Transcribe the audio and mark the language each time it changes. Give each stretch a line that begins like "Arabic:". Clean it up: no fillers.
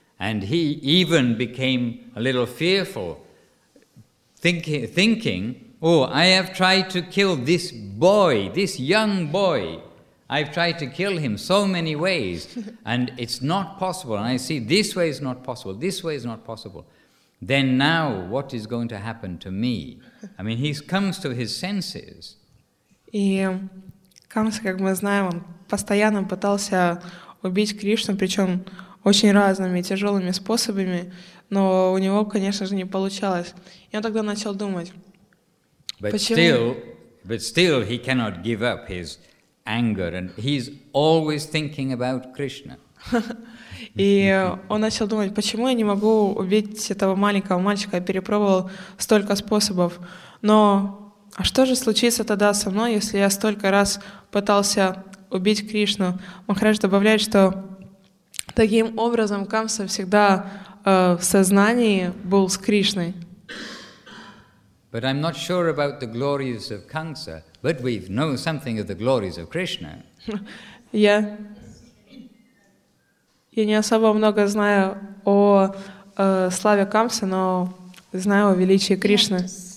English: and he even became a little fearful, thinking, oh, I have tried to kill this boy, this young boy. I've tried to kill him so many ways, and it's not possible. And I see this way is not possible, this way is not possible. Then now, what is going to happen to me? I mean, he comes to his senses.
Russian: И Камса, как мы знаем, он постоянно пытался убить Кришну, причем очень разными тяжелыми способами, но у него, конечно же, не получалось. И он тогда начал думать, почему?
English: But still, he cannot give up his anger, and he's always thinking about Krishna.
Russian: И он начал думать, почему я не могу убить этого маленького мальчика? Я перепробовал столько способов, но а что же случится тогда со мной, если я столько раз пытался убить Кришну? Махарадж добавляет, что таким образом Камса всегда в сознании был с Кришной.
English: But I'm not sure about the glories of Kamsa. But we know something of the glories of Krishna.
Russian: Я не особо много знаю о славе Камсы, но знаю о величии Кришны.